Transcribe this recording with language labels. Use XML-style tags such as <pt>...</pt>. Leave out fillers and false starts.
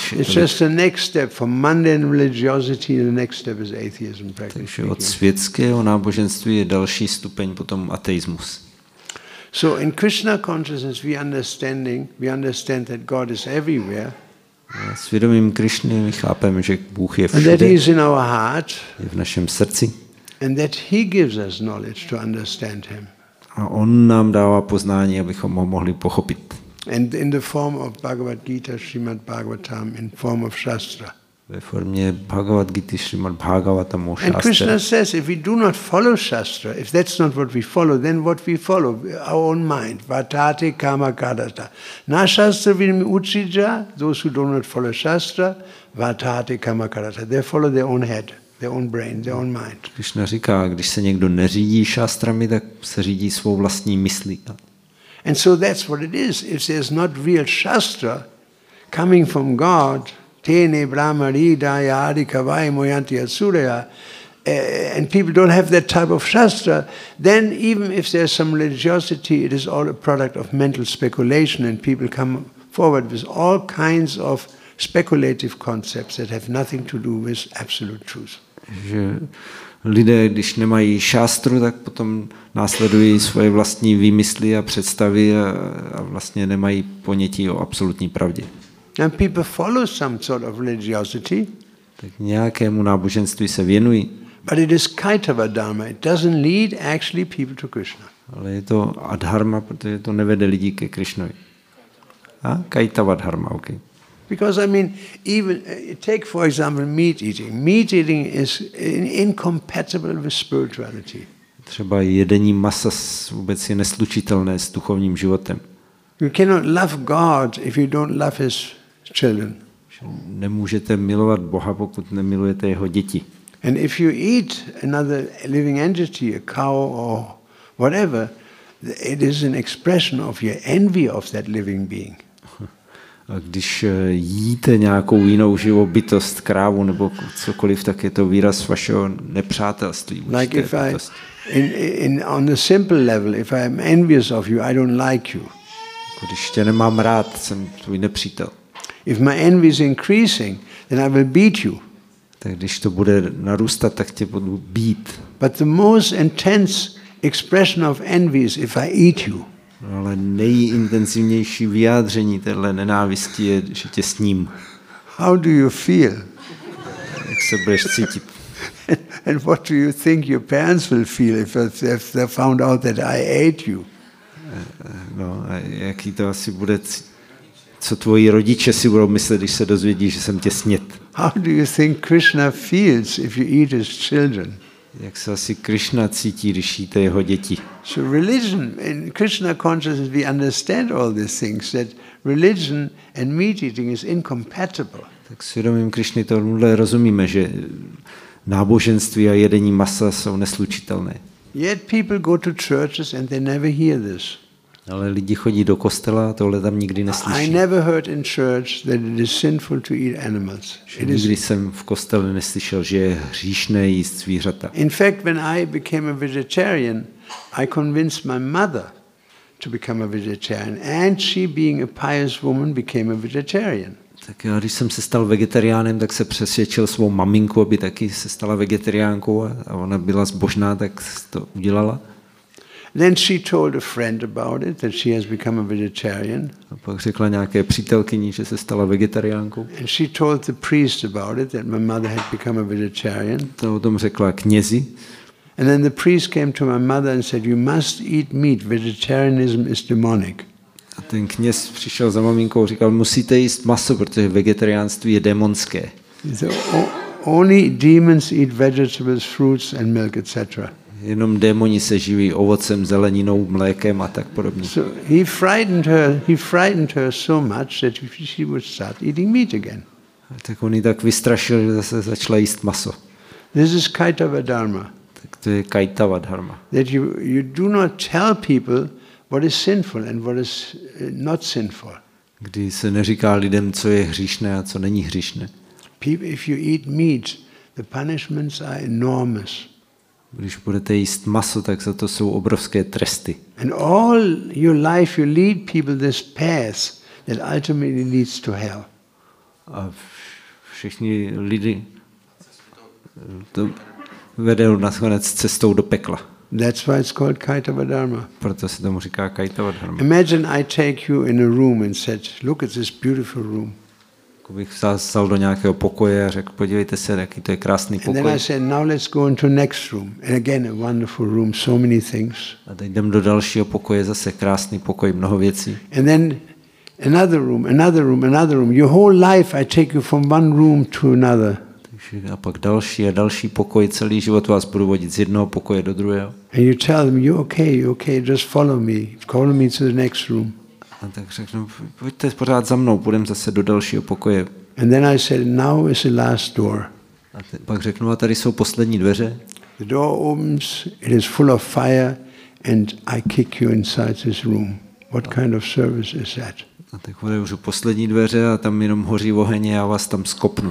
<en>It's just the next step from mundane religiosity, the next step is atheism.</en> <cs>Takže od světského náboženství je další stupeň potom ateismus.</cs> <en>So in Krishna consciousness we understand that God is everywhere.</en> <cs>S vědomím Krišny my chápeme, že Bůh je všude.</cs> <en>That is in our heart.</en> <cs>Je v našem srdci.</cs> <en>And that he gives us knowledge to understand him.</en> <cs>A on nám dává poznání, abychom ho mohli pochopit.</cs> <en>And in the form of Bhagavad Gita, Srimad Bhagavatam, in form of Shastra.</en> <cs>Ve formě Bhagavad Gita, Srimad Bhagavatam, Shastra.</cs> <en>And Krishna says, if we do not follow Shastra, if that's not what we follow, then what we follow? Our own mind.</en> <sa>Vatate kama kadata. Na Shastra vim uchija,</sa> <en>those who do not follow Shastra,</en> <sa>vatate kama kadata.</sa> <en>They follow their own head. Their own brain, their own mind.</en> <cs>Krishna říká, když se někdo neřídí šástrami, tak se řídí svou vlastní myslí.</cs> <en>And so that's what it is. If there's not real shastra coming from God,</en> <sa>tene brahma rida yadi kavai moyanti asuraya,</sa> <en>and people don't have that type of shastra, then even if there's some religiosity, it is all a product of mental speculation, and people come forward with all kinds of speculative concepts that have nothing to do with absolute truth.</en> <cs>Že lidé, když nemají šástru, tak potom následují svoje vlastní výmysly a představy a vlastně nemají ponětí o absolutní pravdě.</cs> <en>And people follow some sort of religiosity.</en> <cs>Tak nějakému náboženství se věnují.</cs> <en>But it is Kaitava Dharma. It doesn't lead actually people to Krishna.</en> <cs>Ale je to adharma, protože to nevede lidi ke Krišnovi. A Kaitava Dharma, okay.</cs> <en>Because I mean, even take for example meat eating. Meat eating is incompatible with spirituality.</en> <cs>Třeba jedení masa vůbec je neslučitelné s duchovním životem.</cs> <en>You cannot love God if you don't love his children.</en> <cs>Nemůžete milovat Boha, pokud nemilujete jeho děti.</cs> <en>And if you eat another living entity, a cow or whatever, it is an expression of your envy of that living being.</en> <cs>A když jíte nějakou jinou živobytost, krávu nebo cokoliv, tak je to výraz vašeho nepřátelství.</cs> <en>Like if I, in on a simple level, if I am envious of you, I don't like you.</en> <cs>Když tě nemám rád, jsem tvůj nepřítel.</cs> <en>If my envy is increasing, then I will beat you.</en> <cs>Tak když to bude narůstat, tak tě budu bít.</cs> <en>But the most intense expression of envy is if I eat you.</en> <cs>No, ale nejintenzivnější vyjádření téhle nenávisti je, že tě s ním.</cs> <en>How do you feel?</en> <cs>Jak se budeš cítit?</cs> <en>And what do you think your parents will feel if they found out that I ate you?</en> <cs>No, a jaký to asi bude, co tvoji rodiče si budou myslet, když se dozvědí, že jsem tě snět?</cs> <en>How do you think Krishna feels if you eat his children?</en> <cs>Jak se asi Krishna cítí, když jíte jeho děti?</cs> <en>So religion and Krishna consciousness, we understand all these things that religion and meat eating is incompatible.</en> <cs>Tak svědomím Krišny tohle rozumíme, že náboženství a jedení masa jsou neslučitelné.</cs> <en>Yet people go to churches and they never hear this.</en> <cs>Ale lidi chodí do kostela a tohle tam nikdy neslyší.</cs> <en>I never heard in church that it is sinful to eat animals.</en> <cs>Nikdy jsem v kostele neslyšel, že je hříšné jíst zvířata.</cs> <en>In fact, when I became a vegetarian, I convinced my mother to become a vegetarian, and she, being a pious woman, became a vegetarian.</en> <cs>Tak já, když jsem se stal vegetariánem, tak se přesvědčil svou maminku, aby taky se stala vegetariánkou, a ona byla zbožná, tak to udělala.</cs> <en>Then she told a friend about it that she has become a vegetarian.</en> <cs>A pak řekla nějaké přítelkyni, že se stala vegetariánkou.</cs> <en>And she told the priest about it that my mother had become a vegetarian.</en> <cs>To o tom řekla knězi.</cs> <en>And then the priest came to my mother and said, "You must eat meat. Vegetarianism is demonic."</en> <cs>A ten kněz přišel za maminkou a říkal, musíte jíst maso, protože vegetariánství je démonské.</cs> <en>Only demons eat vegetables, fruits and milk, etc.</en> <cs>Jenom démoni se živí ovocem, zeleninou, mlékem a tak podobně.</cs> <en>So he frightened her so much that she would start eating meat again.</en> <cs>A tak on ji tak vystrašil, že zase začala jíst maso.</cs> <en>This is Kaitava Dharma.</en> <cs>Tak to je Kaitava Dharma.</cs> <en>That you do not tell people what is sinful and what is not sinful.</en> <cs>Kdy se neříká lidem, co je hříšné a co není hříšné.</cs> <en>If you eat meat, the punishments are enormous.</en> <cs>Když budete jíst maso, tak za to jsou obrovské tresty.</cs> <en>And all your life you lead people this path that ultimately leads to hell.</en> <cs>A všichni lidi to vedou nakonec cestou do pekla.</cs> <en>That's why it's called Kaitava Dharma.</en> <cs>Proto se tomu říká Kaitava Dharma.</cs> <en>Imagine I take you in a room and said, "Look at this beautiful room."</en> <cs>Jako bych vzal do nějakého pokoje a řekl, podívejte se, jaký to je krásný pokoj.</cs> <en>And then I said, "Now let's go into next room." And again, a wonderful room, so many things.</en> <cs>A teď jdem do dalšího pokoje, zase krásný pokoj, mnoho věcí.</cs> <en>And then another room, another room, another room. Your whole life, I take you from one room to another.</en> <cs>A pak další a další pokoj, celý život vás budu vodit z jednoho pokoje do druhého.</cs> <en>And you tell them, you're okay, just follow me. Call me to the next room.</en> <cs>A tak řeknu, pojďte pořád za mnou, půjdeme zase do dalšího pokoje.</cs> <en>And then I said, now is the last door.</en> <cs>A pak řeknu, a tady jsou poslední dveře.</cs> <en>The door opens, it is full of fire and I kick you inside this room. What kind of service is that?</en> <cs>A tak otevřu poslední dveře a tam jenom hoří oheň a já vás tam skopnu.</cs>